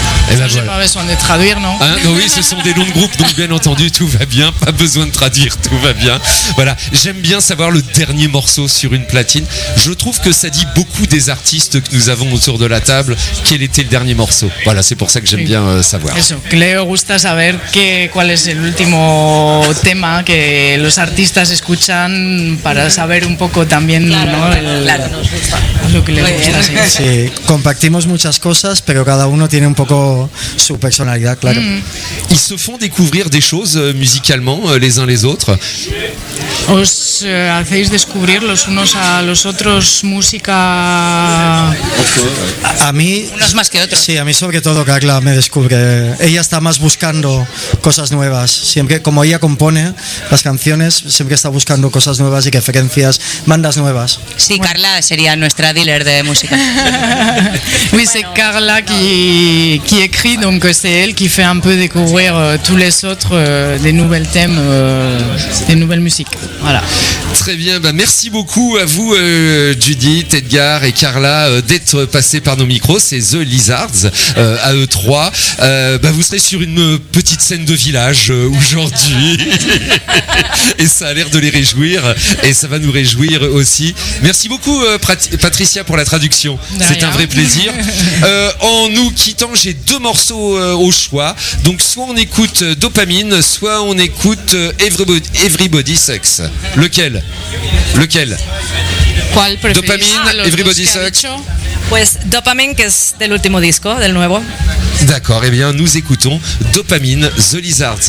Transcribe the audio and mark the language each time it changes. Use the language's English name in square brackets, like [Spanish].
[French] Eh ben, voilà. J'ai pas besoin de traduire, non? Hein? Non, oui, ce sont des noms de groupes, donc bien entendu, tout va bien. Pas besoin de traduire, tout va bien. Voilà, j'aime bien savoir le dernier morceau sur une platine. Je trouve que ça dit beaucoup des artistes que nous avons autour de la table. Quel était le dernier morceau? Voilà, c'est pour ça que j'aime bien savoir. [Spanish] Eso, Cleo gusta saber que, cuál es el último tema que los artistas escuchan para saber un poco también, claro, ¿no? Claro, nos gusta. Lo que les gusta, sí. Sí, compartimos muchas cosas, pero cada uno tiene un poco su personalidad, claro. Mm. [French] Ils se font découvrir des choses musicalement les uns les autres. [Spanish] Os hacéis descubrir los unos a los otros música. A mí. Unos más que otros. Sí, a mí sobre todo Carla me descubre. Ella está más buscando cosas nuevas. Siempre, como ella compone las canciones, siempre está buscando cosas nuevas y referencias, bandas nuevas. Sí, bueno. Carla sería nuestra dealer de música. [French] Oui, c'est Carla qui écrit, donc c'est elle qui fait un peu découvrir tous les autres des nouvelles thèmes, des nouvelles musiques. Voilà. Très bien, bah merci beaucoup à vous Judith, Edgar et Carla d'être passés par nos micros, c'est The Lizards à eux trois. Bah vous serez sur une petite scène de village aujourd'hui et ça a l'air de les réjouir et ça va nous réjouir aussi. Merci beaucoup Patricia pour la traduction, c'est un vrai plaisir. En nous quittant, j'ai deux morceaux au choix, donc soit on écoute Dopamine, soit on écoute Everybody Sucks. Lequel? Lequel? [Spanish] ¿Cuál preferís? Dopamine, Everybody Sucks. Pues Dopamine, que es del último disco, del nuevo. [French] D'accord, et bien nous écoutons Dopamine, The Lizards.